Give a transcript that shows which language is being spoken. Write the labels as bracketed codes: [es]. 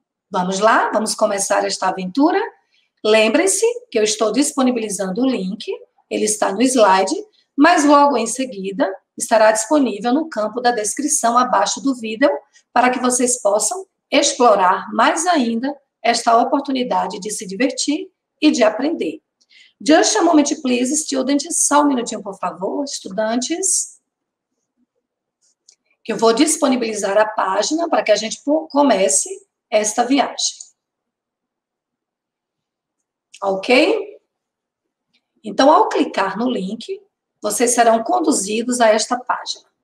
[pt] Vamos lá, vamos começar esta aventura. Lembre-se que eu estou disponibilizando o link, ele está no slide, mas logo em seguida estará disponível no campo da descrição abaixo do vídeo para que vocês possam explorar mais ainda esta oportunidade de se divertir e de aprender. [en] Just a moment, please, students. [pt] Só um minutinho, por favor, estudantes. Que eu vou disponibilizar a página para que a gente comece esta viagem. Ok? Então, ao clicar no link, vocês serão conduzidos a esta página.